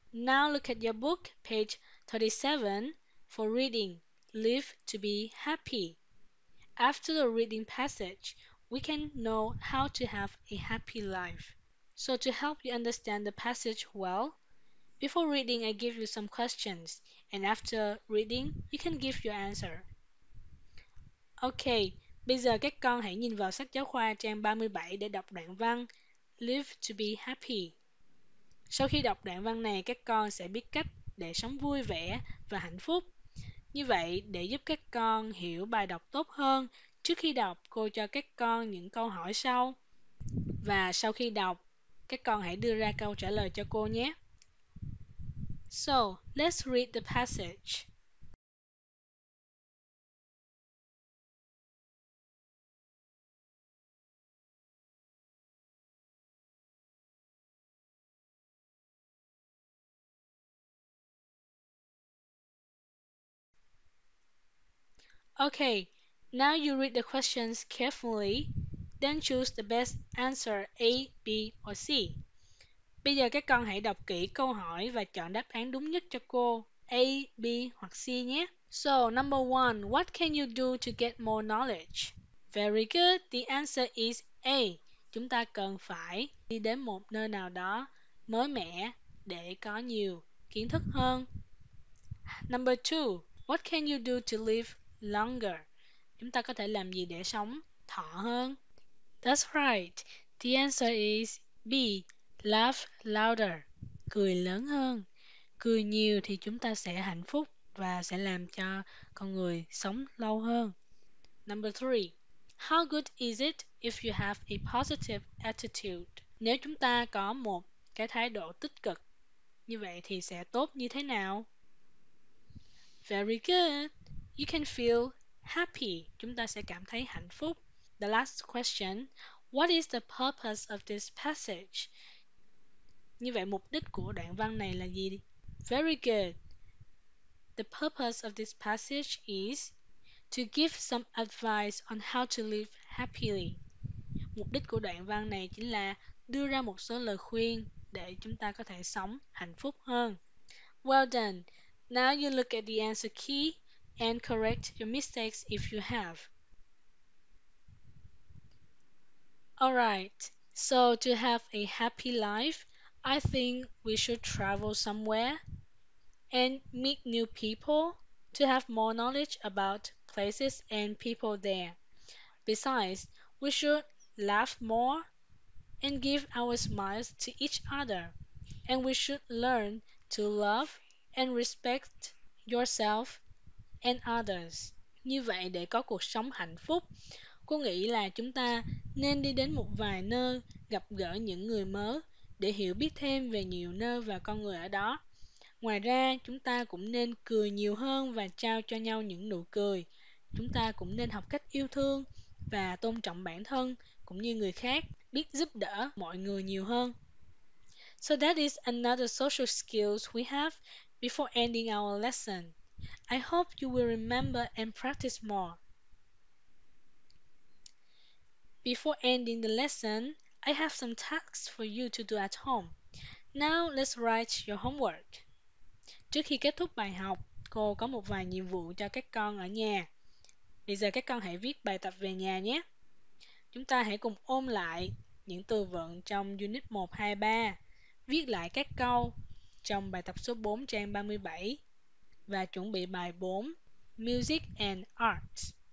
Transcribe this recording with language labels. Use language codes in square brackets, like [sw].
[en] Now look at your book, page 37, for reading, Live to be Happy. After the reading passage, we can know how to have a happy life. So to help you understand the passage well, before reading, I give you some questions, and after reading, you can give your answer. [vi] Okay, bây giờ các con hãy nhìn vào sách giáo khoa trang 37 để đọc đoạn văn Live to be Happy. Sau khi đọc đoạn văn này, các con sẽ biết cách để sống vui vẻ và hạnh phúc. Như vậy, để giúp các con hiểu bài đọc tốt hơn, trước khi đọc, cô cho các con những câu hỏi sau. Và sau khi đọc, các con hãy đưa ra câu trả lời cho cô nhé. [en] So, let's read the passage. Okay. Now you read the questions carefully, then choose the best answer A, B, or C. [vi] Bây giờ các con hãy đọc kỹ câu hỏi và chọn đáp án đúng nhất cho cô, A, B hoặc C nhé. [en] So, number one, what can you do to get more knowledge? Very good, the answer is A. [vi] Chúng ta cần phải đi đến một nơi nào đó mới mẻ để có nhiều kiến thức hơn. [en] Number two, what can you do to live longer? [vi] Chúng ta có thể làm gì để sống thọ hơn? [en] That's right. The answer is B. Laugh louder. [vi] Cười lớn hơn. Cười nhiều thì chúng ta sẽ hạnh phúc và sẽ làm cho con người sống lâu hơn. [en] Number three. How good is it if you have a positive attitude? [vi] Nếu chúng ta có một cái thái độ tích cực, như vậy thì sẽ tốt như thế nào? [en] Very good. You can feel happy. [vi] Chúng ta sẽ cảm thấy hạnh phúc. [en] The last question, what is the purpose of this passage? [vi] Như vậy mục đích của đoạn văn này là gì? [en] Very good. The purpose of this passage is to give some advice on how to live happily. [vi] Mục đích của đoạn văn này chính là đưa ra một số lời khuyên để chúng ta có thể sống hạnh phúc hơn. [en] Well done. Now you look at the answer key and correct your mistakes if you have. Alright, so to have a happy life, I think we should travel somewhere and meet new people to have more knowledge about places and people there. Besides, we should laugh more and give our smiles to each other. And we should learn to love and respect yourself and others. [vi] Như vậy để có cuộc sống hạnh phúc, cô nghĩ là chúng ta nên đi đến một vài nơi, gặp gỡ những người mới để hiểu biết thêm về nhiều nơi và con người ở đó. Ngoài ra, chúng ta cũng nên cười nhiều hơn và trao cho nhau những nụ cười. Chúng ta cũng nên học cách yêu thương và tôn trọng bản thân cũng như người khác, biết giúp đỡ mọi người nhiều hơn. [en] So that is another social skills we have before ending our lesson. I hope you will remember and practice more. Before ending the lesson, I have some tasks for you to do at home. Now let's write your homework. [vi] Trước khi kết thúc bài học, cô có một vài nhiệm vụ cho các con ở nhà. Bây giờ các con hãy viết bài tập về nhà nhé. Chúng ta hãy cùng ôm lại những từ vựng trong Unit 1, 2, 3, viết lại các câu trong bài tập số 4 trang 37 và chuẩn bị bài 4, Music and Arts.